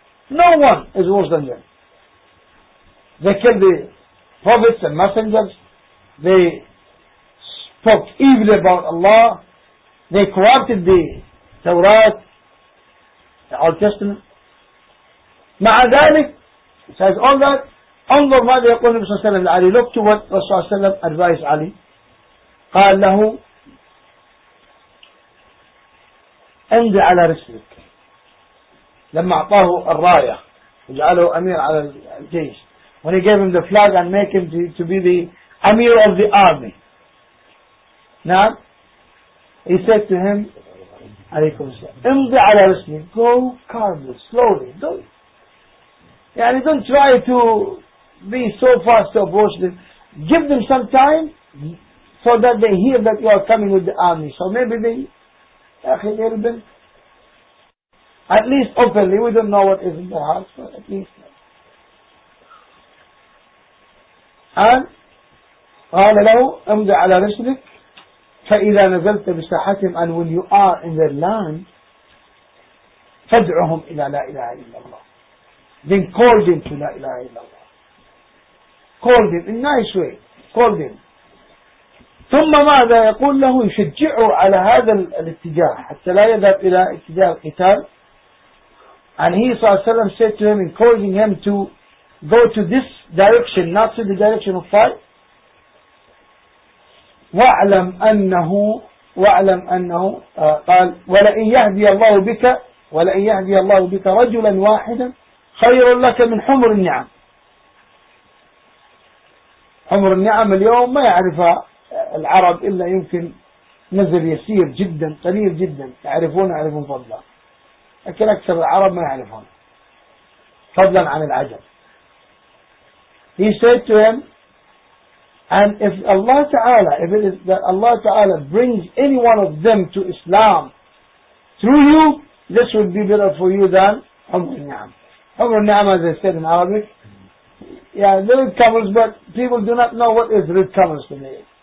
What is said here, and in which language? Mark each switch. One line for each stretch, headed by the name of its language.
English: No one is worse than them. They killed the prophets and messengers. They spoke evil about Allah. They corrupted the Torah, the Old Testament.
Arabic: مع ذلك,
English: says all that,
Arabic: انظر ماذا يقول النبي صلى الله عليه وسلم لعلي.
English: Look to what رسول الله صلى الله عليه وسلم advised علي.
Arabic: قال له امضي على رسلك. لما اعطاه الراية وجعله امير على الجيش.
English: When he gave him the flag and make him to be the emir of the army. Now he said to him
Arabic: عليكم السلام امضي على رسلك.
English: Go calmly, slowly. Don't, يعني don't try to be so fast to approach them. Give them some time so that they hear that you are coming with the army. So maybe they at least openly, we don't know what is in their hearts, but at least.
Arabic: And قال له امضى على رسلك فإذا نزلت بساحتهم
English: and when you are in their land
Arabic: فادعهم إلى لا إله إلا الله.
English: Then call them to
Arabic: لا إله إلا الله.
English: Called him in a nice way. Called him.
Arabic: ثم ماذا يقول له يشجعه على هذا الاتجاه حتى لا يذهب إلى اتجاه القتال.
English: And he صلى الله عليه وسلم said to him, encouraging him to go to this direction, not to the direction of fight.
Arabic: وَأَعْلَمْ أَنَّهُ وَأَعْلَمْ أَنَّهُ قال وَلَئِنْ يَهْدِيَ اللَّهُ بِكَ وَلَئِنْ يَهْدِيَ اللَّهُ بِكَ رَجُلًا وَاحِدًا خَيْرٌ لَكَ مِنْ حُمُرِ النِّعَمِ. حمر النعم اليوم ما يعرفها العرب إلا يمكن نزل يسير جدا قليل جدا يعرفون يعرفون فضلا لكن أكثر العرب ما يعرفون فضلا عن العجم.
English: He said to him and if Allah Ta'ala if it is that Allah Ta'ala brings any one of them to Islam through you this would be better for you than حمر النعم. حمر النعم as I said in Arabic yeah, the red camels, but people do not know what is red camels to me.